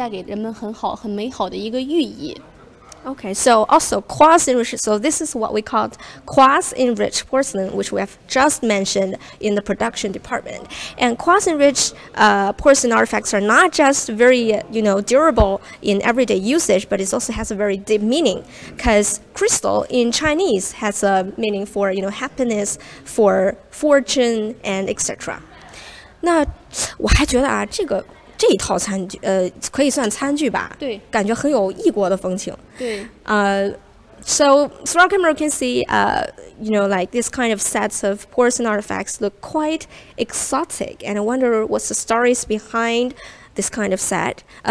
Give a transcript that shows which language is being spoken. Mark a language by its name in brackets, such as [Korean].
[Chinese] 那我们的高石英瓷呢，主要成分呢是石英，而结晶完美的石英呢就是水晶。水晶呢可以带给人们很好、很美好的一个寓意。 [English] Okay, so also quartz-enriched, so this is what we called quartz-enriched porcelain, which we have just mentioned in the production department. And quartz-enriched porcelain artifacts are not just very, you know, durable in everyday usage, but it also has a very deep meaning, because crystal in Chinese has a meaning for, you know, happiness, for fortune, and etc. [Chinese] 那我还觉得啊，这个这一套餐具，可以算餐具吧？对，感觉很有异国的风情。对，so [English] through our camera, you can see, you know, like this kind of sets of porcelain artifacts look quite exotic, and I wonder what's the stories behind this kind of set.